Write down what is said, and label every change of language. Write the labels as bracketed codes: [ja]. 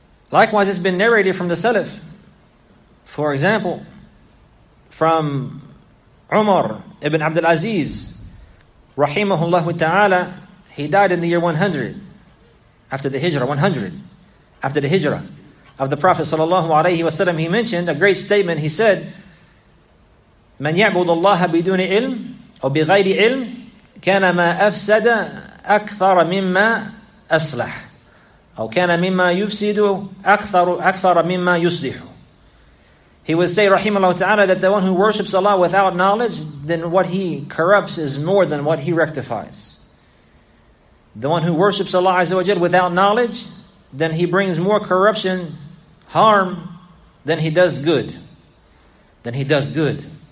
[en] Likewise, it's been narrated from the Salaf, for example, from Umar ibn Abdul Aziz, rahimahullah ta'ala, he died in the year 100, after the Hijrah, 100, after the Hijrah of the Prophet sallallahu alayhi wa sallam, he mentioned a great statement. He said, [ar] من يعبد الله بدون علم أو بغير علم كان ما أفسد أكثر مما أصلح أو كان مما يفسد أكثر مما يصلح. [en] He would say, rahimahullah ta'ala, that the one who worships Allah without knowledge, then what he corrupts is more than what he rectifies. The one who worships Allah Azza wa Jal without knowledge, then he brings more corruption, harm, than he does good. Than he does good.